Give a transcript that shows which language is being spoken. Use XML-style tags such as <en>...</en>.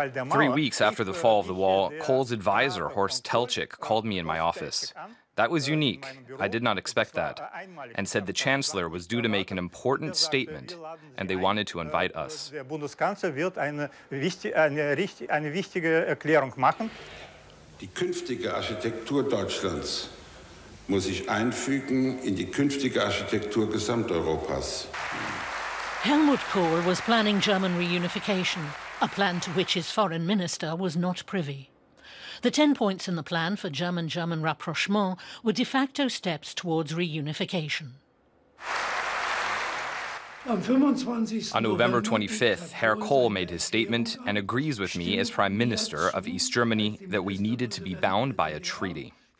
<en>Three weeks after the fall of the wall, Kohl's advisor, Horst Telchik, called me in my office. That was unique. I did not expect that. And said the Chancellor was due to make an important statement and they wanted to invite us.</en> <de>Die künftige Architektur Deutschlands muss sich einfügen in die künftige Architektur Gesamteuropas.</de> <en>Helmut Kohl was planning German reunification, a plan to which his foreign minister was not privy. The 10 points in the plan for German-German rapprochement were de facto steps towards reunification. On November 25th, Herr Kohl made his statement and agrees with me as Prime Minister of East Germany that we needed to be bound by a treaty.</en>